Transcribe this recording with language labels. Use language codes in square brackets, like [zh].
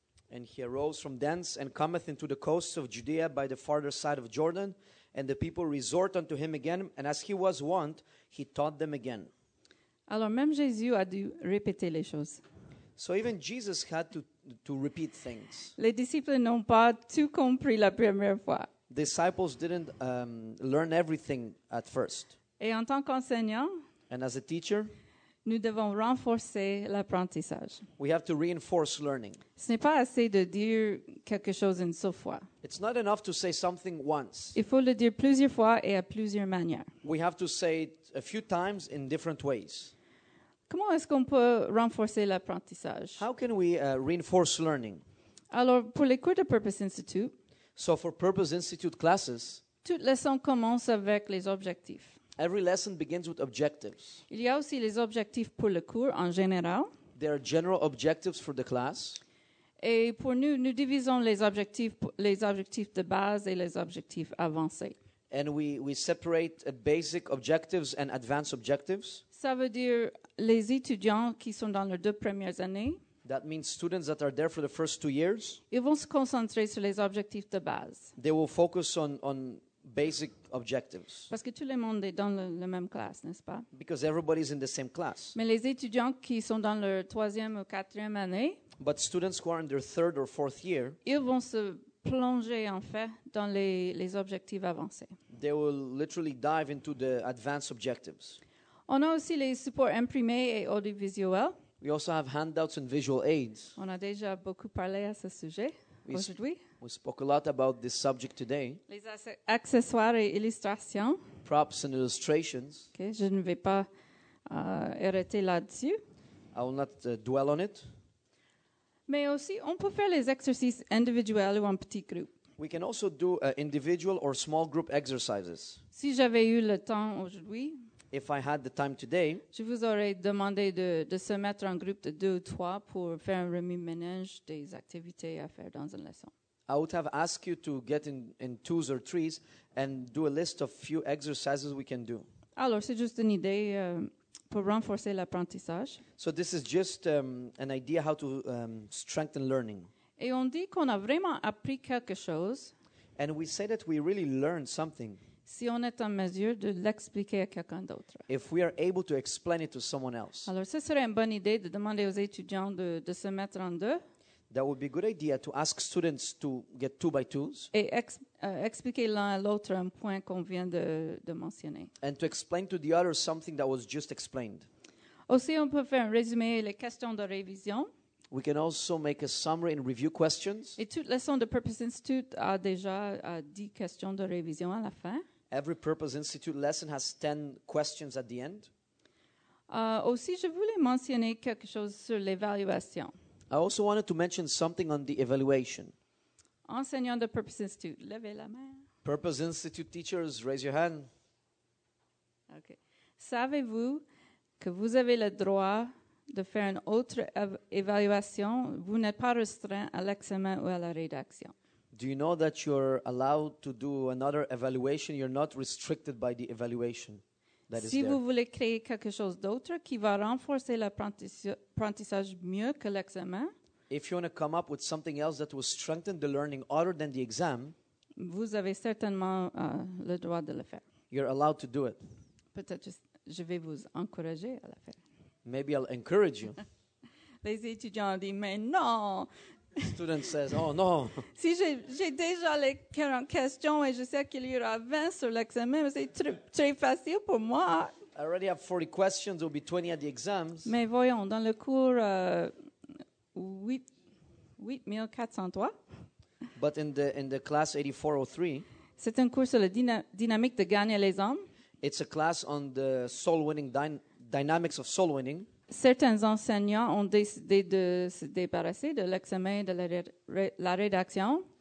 [en] And he arose from thence and cometh into the coasts of Judea by the farther side of Jordan, and the people resort unto him again, and as he was wont, he taught them again. [fr] Alors même Jésus a dû répéter les choses. [en] So even Jesus had to repeat things. [fr] Les disciples n'ont pas tout compris la première fois. [en] Disciples didn't learn everything at first. [fr] Et en tant qu'enseignant, [en] and as a teacher, [fr] nous devons renforcer l'apprentissage. [en] We have to reinforce learning. [fr] Ce n'est pas assez de dire quelque chose une seule fois. [en] It's not enough to say something once. [fr] Il faut le dire plusieurs fois et à plusieurs manières. [en] We have to say it a few times in different ways. [fr] Comment est-ce qu'on peut renforcer l'apprentissage? [en] How can we reinforce learning? [fr] Alors, pour les cours de Purpose Institute, [en] so for Purpose Institute classes, [fr] toute leçon commence avec les objectifs. [en] Every lesson begins with objectives. [fr] Il y a aussi les objectifs pour le cours en général. [en] There are general objectives for the class. [fr] Et pour nous, nous divisons les objectifs de base et les objectifs avancés. [en] And we separate basic objectives and advanced objectives. [fr] Ça veut dire les étudiants qui sont dans leurs deux premières années. [en] That means students that are there for the first 2 years. [fr] Ils vont se concentrer sur les objectifs de base. [en] They will focus on basic objectives. [fr] Parce que tout le monde est dans la même classe, n'est-ce pas? [en] Because everybody is in the same class. [fr] Mais les étudiants qui sont dans leur troisième ou quatrième année, [en] but students who are in their third or fourth year, [fr] ils vont se plonger en fait dans les objectifs avancés. [en] They will literally dive into the advanced objectives. [fr] On a aussi les supports imprimés et audiovisuels. [en] We also have handouts and visual aids. [fr] On a déjà beaucoup parlé à ce sujet aujourd'hui. [en] We spoke a lot about this subject today. [fr] Les accessoires et illustrations. [en] Props and illustrations. [fr] Okay, je ne vais pas arrêter là-dessus. [en] I will not dwell on it. [fr] Mais aussi, on peut faire les exercices individuels ou en petit groupe. [en] We can also do individual or small group exercises. [fr] Si j'avais eu le temps aujourd'hui, [en] if I had the time today, [fr] je vous aurais demandé de se mettre en groupe de deux ou trois pour faire un remue-ménage des activités à faire dans une leçon. [en] I would have asked you to get in twos or threes and do a list of few exercises we can do. [fr] Alors, c'est juste une idée pour renforcer l'apprentissage. [en] So this is just an idea how to strengthen learning. [fr] Et on dit qu'on a vraiment appris quelque chose. [en] And we say that we really learned something. [fr] Si on est en mesure de l'expliquer à quelqu'un d'autre. [en] If we are able to explain it to someone else. [fr] Alors, ce serait une bonne idée de demander aux étudiants de se mettre en deux. [en] That would be a good idea to ask students to get two by twos. [fr] Et expliquer l'un à l'autre un point qu'on vient de mentionner. [en] And to explain to the other something that was just explained. [fr] Aussi, on peut faire un résumé et les questions de révision. [en] We can also make a summary and review questions. [fr] Et toute leçon de Purpose Institute a déjà 10 questions de révision à la fin. [en] Every Purpose Institute lesson has 10 questions at the end. [fr] Aussi, je voulais mentionner quelque chose sur l'évaluation. [en] I also wanted to mention something on the evaluation. [fr] Enseignants de Purpose Institute, levez la main. [en] Purpose Institute teachers, raise your hand. Okay. [fr] Savez-vous que vous avez le droit de faire une autre évaluation? Vous n'êtes pas restreint à l'examen ou à la rédaction. [en] Do you know that you're allowed to do another evaluation? You're not restricted by the evaluation. [fr] Si vous voulez créer quelque chose d'autre qui va renforcer l'apprentissage mieux que l'examen, [en] if you want to come up with something else that will strengthen the learning other than the exam, [fr] vous avez certainement le droit de le faire. [en] You're allowed to do it. [fr] Peut-être je vais vous encourager à le faire. [en] Maybe I'll encourage you. [fr] Les étudiants disent, mais non! [en] Student says, oh non! [fr] Si j'ai déjà les 40 questions et je sais qu'il y aura 20 sur l'examen, c'est très facile pour moi. [en] I already have 40 questions, there will be 20 at the exams. [fr] Mais voyons, dans le cours 8403. [en] But in the class 8403. [fr] C'est un cours sur la dynamique de gagner les hommes. [en] It's a class on the soul winning dynamics of soul winning. [fr] Certains enseignants ont décidé de se débarrasser de l'examen de la rédaction.